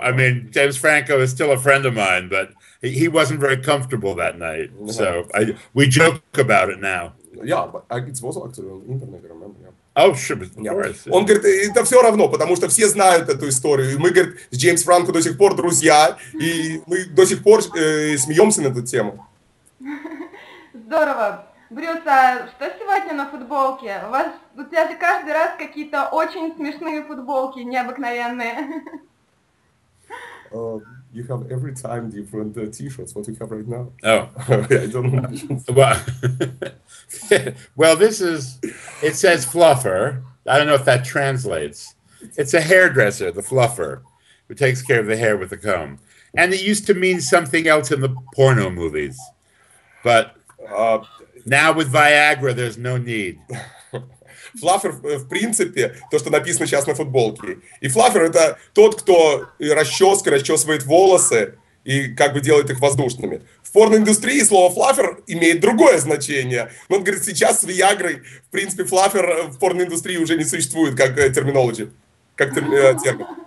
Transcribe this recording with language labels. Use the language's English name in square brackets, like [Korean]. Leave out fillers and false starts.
[English] I mean, James Franco is still a friend of mine, but he wasn't very comfortable that night. Yeah. So we joke about it now. Yeah, but it was actually on the internet, I remember, yeah. Oh, sure, but of course, [Russian] yeah. Он говорит, это все равно, потому что все знают эту историю. И мы, говорит, с Джеймс Франко до сих пор друзья, и мы до сих пор смеемся на эту тему. Здорово. Брюс, а что сегодня на футболке? У тебя же каждый раз какие-то очень смешные футболки, необыкновенные. [English] You have every time different t-shirts, what you have right now. Oh. I don't know. Well, this is, it says fluffer. I don't know if that translates. It's a hairdresser, the fluffer, who takes care of the hair with the comb. And it used to mean something else in the porno movies. But now with Viagra, there's no need. [Russian] Флаффер, в принципе, то, что написано сейчас на футболке. И флаффер – это тот, кто расчесывает волосы и как бы делает их воздушными. В порноиндустрии слово флаффер имеет другое значение. Но он говорит, сейчас с Виагрой, в принципе, флаффер в порноиндустрии уже не существует как терминологи, как термин.